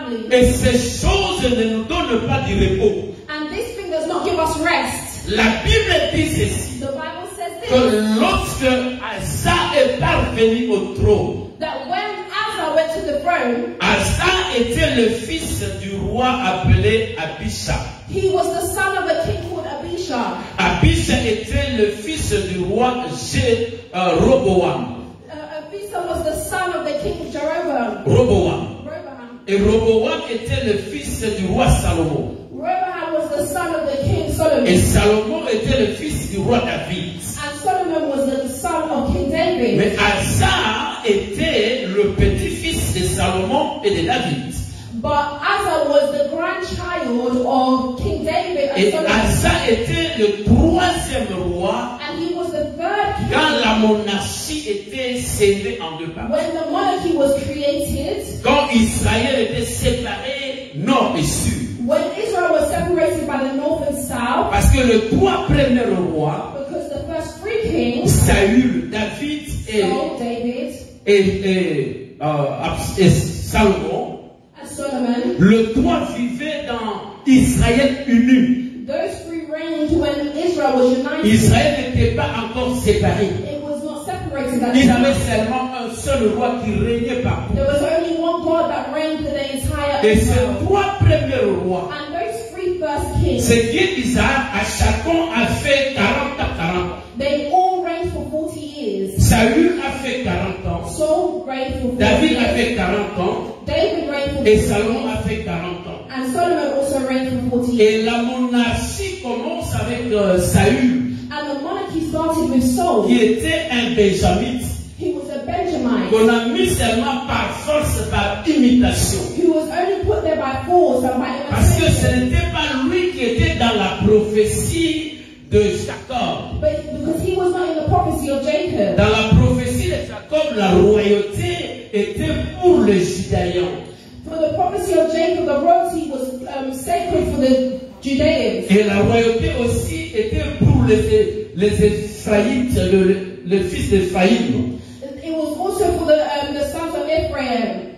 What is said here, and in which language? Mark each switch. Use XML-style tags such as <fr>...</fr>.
<fr>Et ces choses ne nous donnent pas du repos.</fr> <en>And this thing does not give us rest.</en> <fr>La Bible dit ceci.</fr> <en>The Bible says this.</en> <fr>Que lorsque Asa est parvenu au trône,</fr> <en>that when Asa went to the throne, throne.</en> <fr>Asa était le fils du roi appelé Abisha.</fr> <en>He was the son of a king called Abisha.</en> <fr>Abisha était le fils du roi Jéroboam.</fr> <en>Abisha was the son of the king Jeroboam. Roboam.</en> <fr>Et Roboam était le fils du roi Salomon.</fr> <en>Roboam was the son of the king Solomon.</en> <fr>Et Salomon était le fils du roi David.</fr> <en>And Solomon was the son of King David.</en> <fr>Mais Asa était le petit-fils de Salomon et de David.</fr> <en>But Asa was the grandchild of King David and</en> <fr>Et Asa était le troisième roi.</fr> <en>And he was the third king.</en> <fr>Quand la monarchie était scellée en deux parties.</fr> <en>When the monarchy was created.</en> <fr>Quand Israël était séparé nord et sud.</fr> <en>When Israel was separated by the north and south.</en> <fr>Parce que le trois premiers rois.</fr> <en>Because the first three kings.</en> <fr>Saül, David et</fr> <en>Saul, David.</en> <fr>Et Salomon.</fr> <en>Solomon.</en> <fr>Le trois vivait dans Israël uni.</fr> <en>Those three reigned when Israel was united.</en> <fr>Israël n'était pas encore séparé.</fr> <en>It was not separated at that time.</en> <fr>Il y avait seulement un seul roi qui régnait partout.</fr> <en>There was only one God that reigned for the entire</en> <fr>Israel. Et ces trois premiers rois.</fr> <en>And those three first kings.</en> <fr>Ce qui est bizarre, à chacun a fait 40 à 40.</fr> <en>They all reigned for 40 years.</en> <fr>Saül a fait 40 ans.</fr> <en>Saul reigned for 40 David years.</en> <fr>A fait 40 ans.</fr> <en>David reigned for 40</en> <fr>years. Et Salomon a fait 40 ans.</fr> <en>And Solomon also reigned for 40 years.</en> <fr>Et la monarchie commence avec Saül.</fr> <en>And the monarchy started with Saul.</en> <fr>Qui était un Benjamite.</fr> <en>He was a Benjamite.</en> <fr>Qu'on a mis seulement par force, par imitation.</fr> <en>He was only put there by force and by imitation.</en> <fr>Parce que ce n'était pas lui qui était dans la prophétie de Jacob.</fr> <en>But because he was not in the prophecy of Jacob.</en> <fr>Dans la prophétie de Jacob, la royauté était pour les Judéens.</fr> <en>For the prophecy of Jacob, the royalty was sacred for the Judeans.</en> <fr>Et la royauté aussi était pour les Ephraïtes, le fils d'Ephraïm.</fr> <en>It was also for the sons of Ephraim.</en>